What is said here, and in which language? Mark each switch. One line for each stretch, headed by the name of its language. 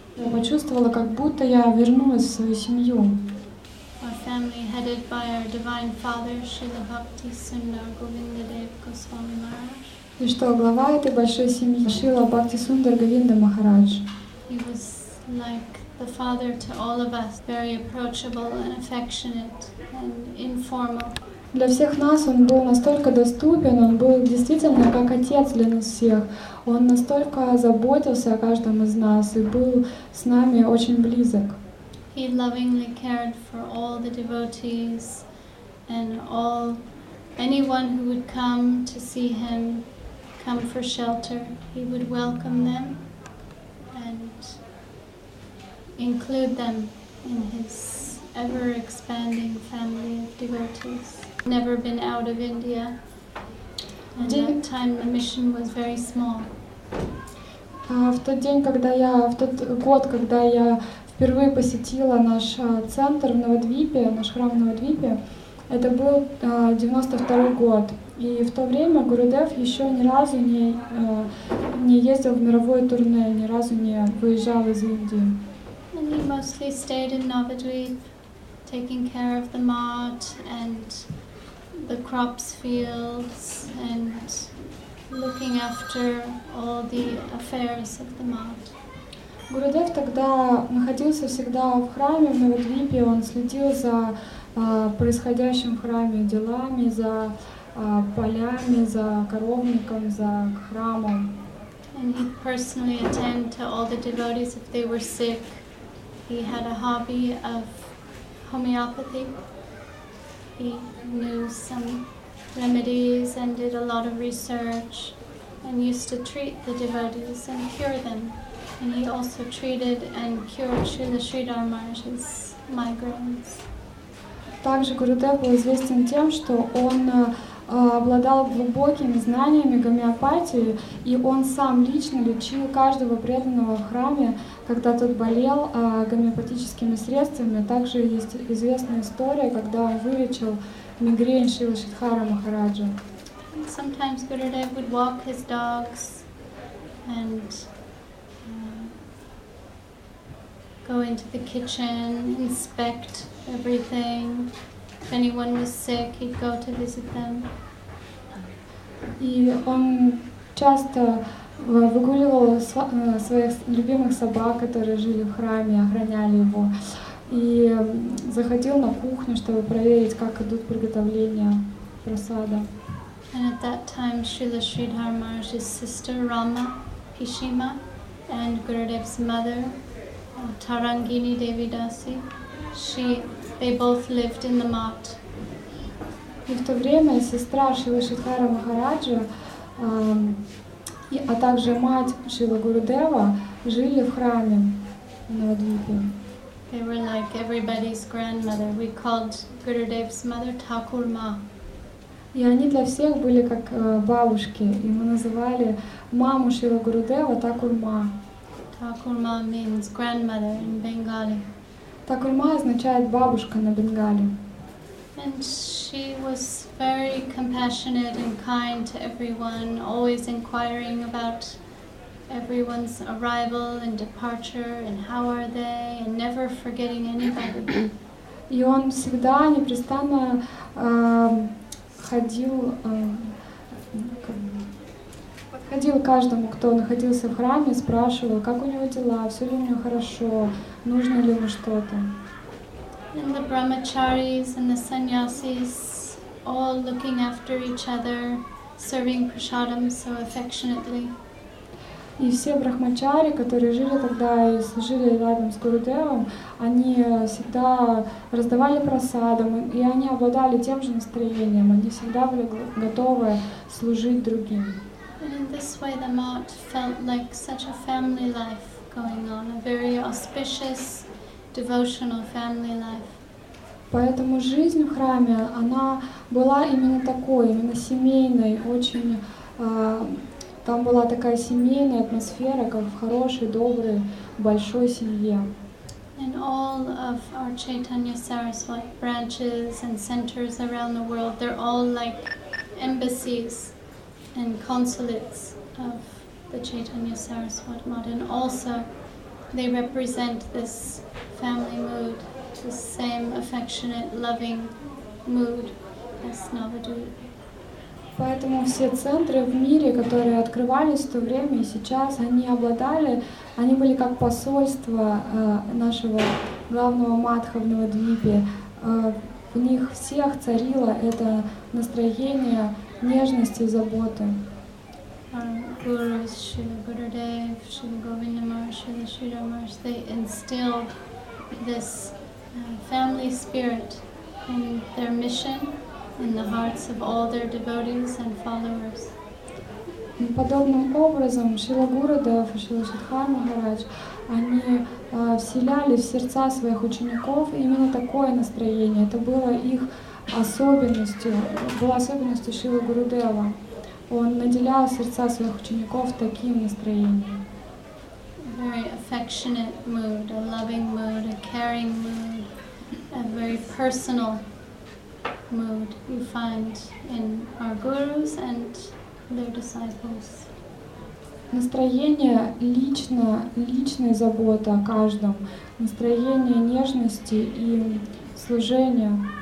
Russian: Я почувствовала, как будто я вернулась в свою семью.
English: Our family headed by our divine father Srila Bhakti Sundar Govindadev Goswami Maharaj.
Russian: И что глава этой большой семьи Шрила Бхакти Сундар Говинда Махарадж.
English: He was like the father to all of us, very approachable and affectionate and informal.
Russian: Для всех нас он был настолько доступен, он был действительно как отец для нас всех. Он настолько заботился о каждом из нас и был с нами очень близок.
English: He lovingly cared for all the devotees and all anyone who would come to see him, come for shelter. He would welcome them and include them in his ever-expanding family of devotees. Never been out of India. And at that time the mission was very small.
Russian: В тот день, когда я, в тот год, когда я впервые посетила наш центр в Новодвипе, наш храм в Новодвипе, это был 92 год. И в то время Гурудев еще ни разу не ездил в мировое турне, ни разу не выезжал из Индии.
English: And he mostly stayed in Novadvip, taking care of the mart and the crops fields and looking after all the affairs of the mart.
Russian: Гурудев тогда находился всегда в храме в Новодвипе. Он следил за происходящим в храме делами, за полями, за коровником, за храмом.
English: And he personally attended to all the devotees if they were sick. He had a hobby of homeopathy. He knew some remedies and did a lot of research and used to treat the devotees and cure them. And he also treated and cured Srila Sridhar Maharaj's migraines.
Russian: Также Гурудев был известен тем, что он обладал глубокими знаниями гомеопатии, и он сам лично лечил каждого преданного в храме, когда тот болел гомеопатическими средствами. Также есть известная история, когда он вылечил мигрень Шрилы Шридхара Махараджа.
English: Sometimes Gurudev would walk his dogs and go into the kitchen, inspect everything. If anyone was sick, he'd go to visit them.
Russian: И он часто выгуливал своих любимых собак, которые жили в храме, охраняли его, и заходил на кухню, чтобы проверить, как идут приготовления просада.
English: And at that time, Srila Sridhar Maharaj's sister Rama Pishima and Gurudev's mother Tarangini Devi Dasi, they both lived in the mart.
Russian: И в то время сестра Шрилы Шридхара Махараджа, а также мать Шрилы Гурудева жили в храме на Адвипе.
English: They were like everybody's grandmother. We called Gurudev's mother Thakur Ma.
Russian: И они для всех были как бабушки, и мы называли маму Шрилы Гурудева Thakur Ma.
English: Thakur Ma means grandmother in Bengali.
Russian: Thakur Ma означает бабушка на бенгали.
English: And she was very compassionate and kind to everyone, always inquiring about everyone's arrival and departure and how are they, and never forgetting anybody.
Russian: И он всегда непрестанно ходил к каждому, кто находился в храме, спрашивал, как у него дела, все ли у него хорошо, нужно ли ему что-то.
English: And the brahmacharis and the sannyasis all looking after each other, serving prasadam so affectionately.
Russian: И все брахмачари, которые жили тогда и служили рядом с Гурудевом, они всегда раздавали прасадам, и они обладали тем же настроением, они всегда были готовы служить другим.
English: And in this way the mart felt like such a family life going on, a very auspicious devotional family life.
Russian: Поэтому жизнь в храме, она была именно такой, именно семейной, очень там была такая семейная атмосфера, как в хорошей, доброй, большой семье.
English: And all of our Chaitanya Saraswati branches and centers around the world, they're all like embassies and consulates of the Chaitanya Saraswat Mata, and also they represent this family mood, the same affectionate, loving mood as Navadvipa.
Russian: Поэтому все центры в мире, которые открывались в то время и сейчас, они обладали, они были как посольство нашего главного Мадха в Навадвипе. В них всех царило это настроение нежности и заботы.
English: Гуру, Шрила Гурудев, Шрила Говинда Махарадж, Шрила Шридхар Махарадж, they instilled this family spirit in their mission, in the hearts of all their devotees and followers.
Russian: Подобным образом Шрила Гурудев и Шрила Шридхар Махарадж, они вселяли в сердца своих учеников именно такое настроение. Это было их особенностью, была особенностью Шрила Гурудева. Он наделял сердца своих учеников таким настроением.
English: Very affectionate mood, a loving mood, a caring mood, a very personal mood you find in our gurus and their disciples.
Russian: Настроение личной заботы о каждом, настроение нежности и служения.